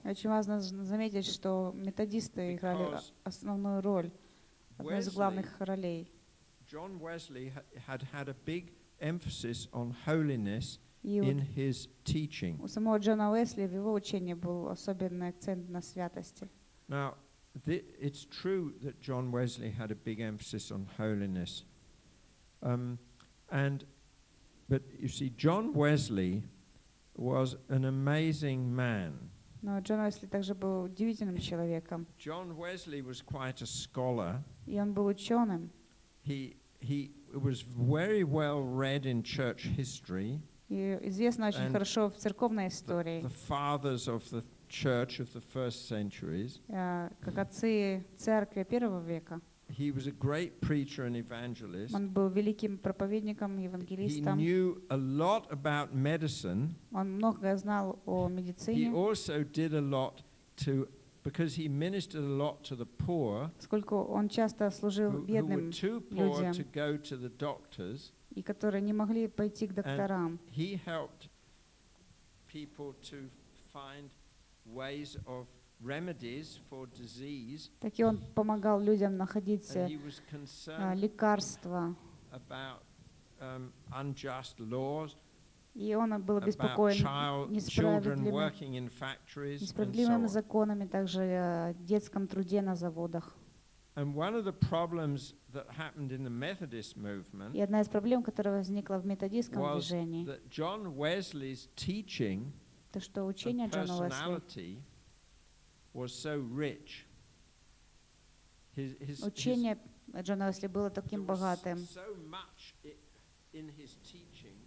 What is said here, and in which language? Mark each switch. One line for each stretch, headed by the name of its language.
Russian: Очень важно заметить, что методисты играли основную роль, одну из главных ролей.
English: John Wesley had a big emphasis on holiness in his teaching.
Russian: У самого Джона Уэсли в его учении был особенный акцент на святости.
English: Now, it's true that John Wesley had a big emphasis on holiness, but you see, John Wesley was an amazing man.
Russian: Но Джон Уэсли также был удивительным человеком.
English: John Wesley was quite a scholar.
Russian: И он был ученым.
English: He was very well read in church history.
Russian: И известно очень хорошо в церковной истории.
English: The fathers of the church of the first centuries.
Russian: Как отцы церкви первого века.
English: He was a great preacher and evangelist.
Russian: Он был великим проповедником и евангелистом.
English: He knew a lot about medicine.
Russian: Он многое знал о медицине.
English: He also did a lot to, because he ministered a lot to the poor,
Russian: сколько он часто служил бедным людям,
English: to go to the doctors,
Russian: и которые не могли пойти к докторам.
English: And he helped people to find ways of remedies for disease.
Russian: Так и он помогал людям находить лекарства.
English: About unjust laws.
Russian: И он был обеспокоен несправедливыми законами, также о детском труде на заводах.
English: And one of the problems that happened in the Methodist movement,
Russian: и одна из проблем, которая возникла в методистском движении,
English: was that John Wesley's teaching,
Russian: то, что учение Джона
English: Уэсли, was so rich. His
Russian: учение Джона Уэсли было таким богатым.
English: So much in his teaching.